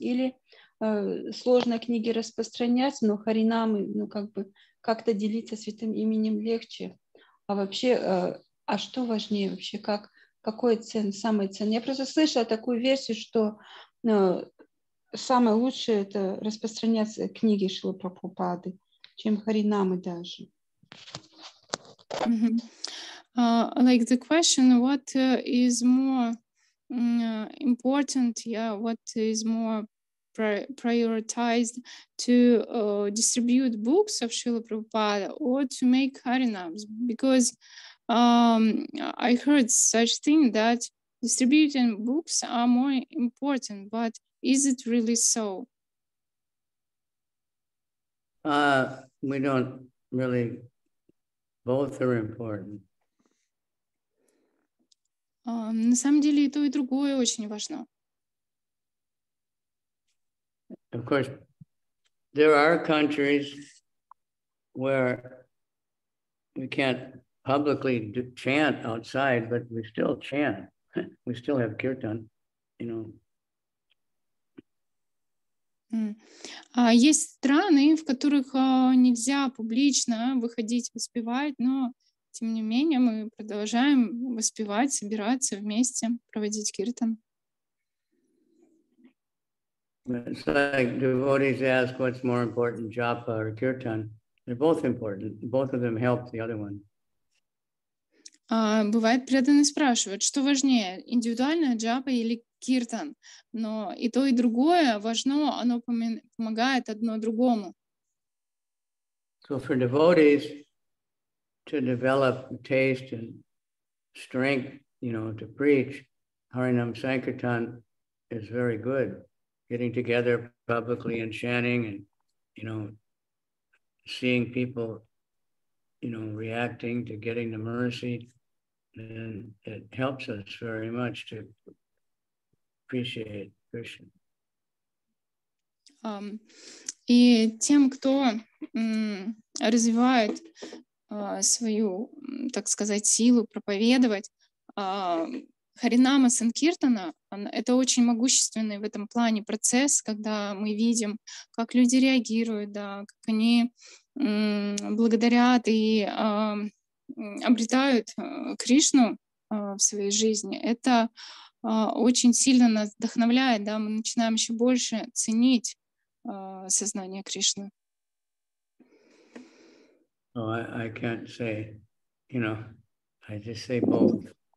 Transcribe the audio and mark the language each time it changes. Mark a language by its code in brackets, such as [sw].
[ru] Или сложно книги распространять, но харинамы, как-то делиться святым именем легче. А вообще, что важнее вообще, как какой цен, самый цен. Я просто слышала такую версию, что самое лучшее это распространяться книги Шрилы Прабхупады, чем харинамы даже. [en] Like the question, what is more important, yeah, what is more prioritized to distribute books of Srila Prabhupada or to make harinams? Because I heard such thing that distributing books are more important, but is it really so? We don't really, both are important. [ru] На самом деле и то, и другое очень важно. [en] Of course, there are countries where we can't publicly chant outside, but we still chant. We still have kirtan, you know. [ru] Есть страны, в которых нельзя публично выходить воспевать, но тем не менее мы продолжаем воспевать, собираться вместе, проводить киртан. [en] It's like devotees ask what's more important, japa or kirtan. They're both important. Both of them help the other one. [ru] Бывает, преданные спрашивают, что важнее, индивидуальная джапа или киртан. Но и то, и другое важно, оно помогает одно другому. [en] So for devotees to develop taste and strength, you know, to preach, Harinam Sankirtan is very good. Getting together publicly and chanting and, you know, seeing people, you know, reacting to getting the mercy. And it helps us very much to appreciate Krishna. [ru] И тем, кто развивает свою, так сказать, силу проповедовать, Харинама Санкиртана — это очень могущественный в этом плане процесс, когда мы видим, как люди реагируют, да, как они благодарят и обретают Кришну в своей жизни. Это очень сильно нас вдохновляет, да, мы начинаем еще больше ценить сознание Кришны. [en] Oh, I can't say, you know, I just say both.